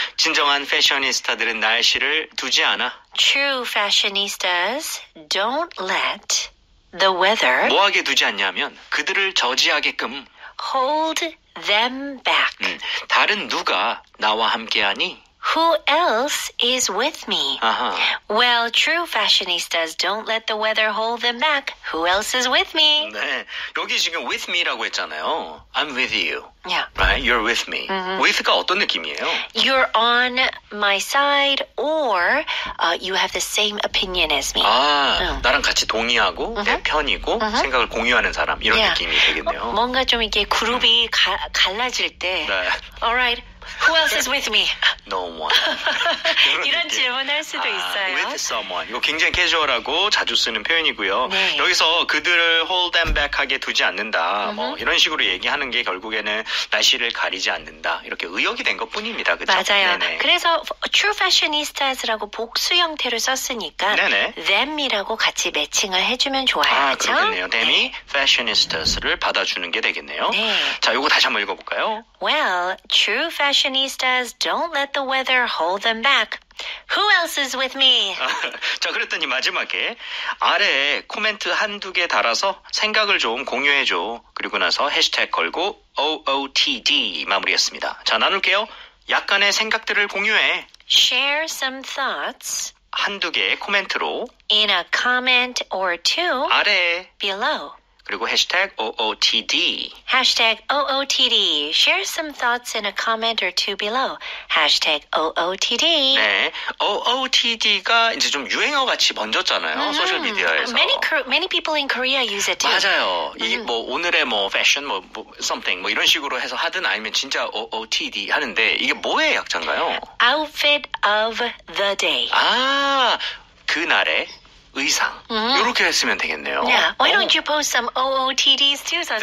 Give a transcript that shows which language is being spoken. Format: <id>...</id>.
<ko>진정한 패셔니스타들은 날씨를 두지 않아.</ko> <en>True fashionistas don't let the weather</en> <ko>뭐하게 두지 않냐면 그들을 저지하게끔</ko> <en>hold them back.</en> <ko>다른 누가 나와 함께하니?</ko> <en>Who else is with me? Uh-huh. Well, true fashionistas don't let the weather hold them back. Who else is with me?</en> <ko>네, 여기 지금 with me라고 했잖아요.</ko> <en>I'm with you. Yeah. Right? You're with me. Mm-hmm. With가</en> <ko>어떤 느낌이에요?</ko> <en>You're on my side or you have the same opinion as me.</en> <ko>아, 나랑 같이 동의하고 내 편이고 생각을 공유하는 사람 이런 느낌이 되겠네요. 뭔가 좀 이렇게 그룹이 갈라질 때 네.</ko> <en>All right. Who else is with me? No one.</en> <ko>이런, 이런 질문할 수도 있어요.</ko> <en>With someone.</en> <ko>이거 굉장히 캐주얼하고 자주 쓰는 표현이고요. 네. 여기서 그들을</ko> <en>hold them back</en> <ko>하게 두지 않는다. 뭐 이런 식으로 얘기하는 게 결국에는 날씨를 가리지 않는다. 이렇게 의역이 된 것뿐입니다. 그렇죠? 맞아요. 네네. 그래서</ko> <en>true fashionistas</en> <ko>라고 복수 형태로 썼으니까 네네. them이라고 같이 매칭을 해주면 좋아요. 아, 그렇겠네요. them이 네. fashionistas를 받아주는 게 되겠네요. 네. 자, 이거 다시 한번 읽어볼까요?</ko> <en>Well, true fashionistas don't let the weather hold them back. Who else is with me?</en> <ko>자, 그랬더니 마지막에 아래에 코멘트 한두 개 달아서 생각을 좀 공유해줘. 그리고 나서 해시태그 걸고 OOTD 마무리했습니다. 자, 나눌게요. 약간의 생각들을 공유해.</ko> <en>Share some thoughts.</en> <ko>한두 개의 코멘트로.</ko> <en>In a comment or two.</en> <ko>아래에.</ko> <en>Below.</en> <ko>그리고 해시태그 OOTD.</ko> <en>Hashtag OOTD. Share some thoughts in a comment or two below. Hashtag OOTD.</en> <ko>네. OOTD가 이제 좀 유행어같이 번졌잖아요. 소셜미디어에서.</ko> <en>Many people in Korea use it too.</en> <ko>맞아요. 이게 뭐 오늘의 뭐 패션 뭐 something 뭐 이런 식으로 해서 하든 아니면 진짜 OOTD 하는데 이게 뭐의 약자인가요?</ko> <en>Outfit of the day.</en> <ko>아, 그날의. 의상 이렇게 했으면 되겠네요.</ko> <en>Yeah. Why don't you post some OOTDs too, 선생님?</en>